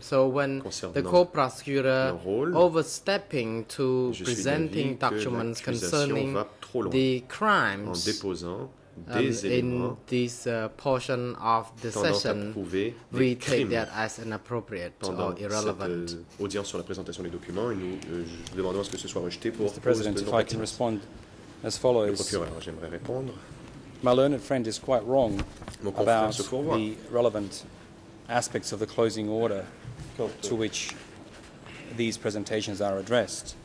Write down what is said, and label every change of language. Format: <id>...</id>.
<en>So when the co-prosecutor overstepping to presenting documents concerning the crimes in this portion of the session, we take that as inappropriate or irrelevant.</en> <fr>Audience sur la présentation des documents, et nous demandons à ce que ce soit rejeté pour</fr> <en>Mr. President, if I can respond as follows.</en> <fr>Le procureur, j'aimerais répondre.</fr> <en>My learned friend is quite wrong about the relevant aspects of the closing order to which these presentations are addressed.</en>